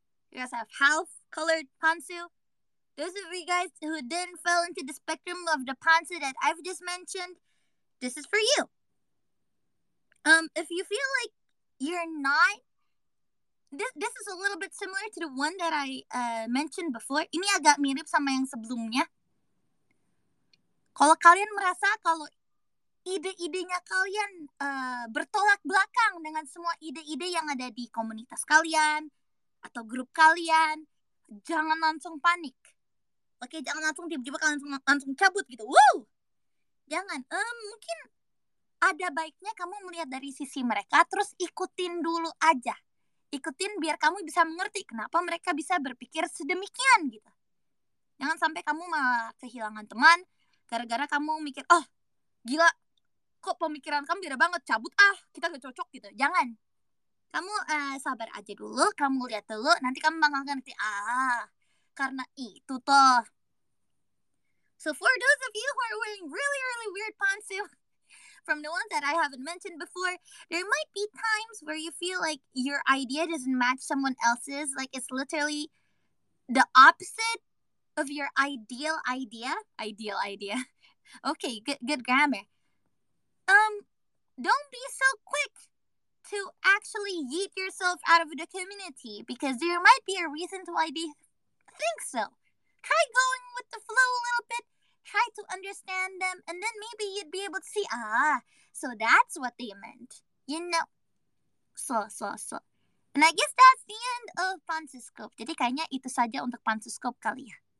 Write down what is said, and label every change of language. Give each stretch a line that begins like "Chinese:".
English: You guys have half-colored pantsu. Those of you guys who didn't fall into the spectrum of the pantsu that I've just mentioned, this is for you. If you feel like you're not, this is a little bit similar to the one that I mentioned before.
Indonesian: Ini agak mirip sama yang sebelumnya. Kalau kalian merasa kalau ide-idenya kalian bertolak belakang dengan semua ide-ide yang ada di komunitas kalian atau grup kalian, jangan langsung panik. Oke, jangan langsung tiba-tiba kalian langsung cabut gitu. Woo! Jangan. Mungkin ada baiknya kamu melihat dari sisi mereka, terus ikutin dulu aja. Ikutin biar kamu bisa mengerti kenapa mereka bisa berpikir sedemikian gitu. Jangan sampai kamu malah kehilangan teman gara-gara kamu mikir, oh gila, kok pemikiran kamu beda banget, cabut ah, kita gak cocok gitu. Jangan. Kamu sabar aja dulu, kamu lihat dulu, nanti kamu bakal ngerti, ah, karena itu toh.
English: So for those of you who are wearing really, really weird pantsu, from the ones that I haven't mentioned before, there might be times where you feel like your idea doesn't match someone else's, like it's literally the opposite of your ideal idea. Ideal idea. Okay, good grammar. Don't be so quick to actually yeet yourself out of the community, because there might be a reason why they think so. Try going with the flow a little bit, try to understand them, and then maybe you'd be able to see, ah, so that's what they meant. You know? So. And I guess that's the end of Pansuscope.
Indonesian: Jadi kayaknya itu saja untuk Pansuscope kali ya.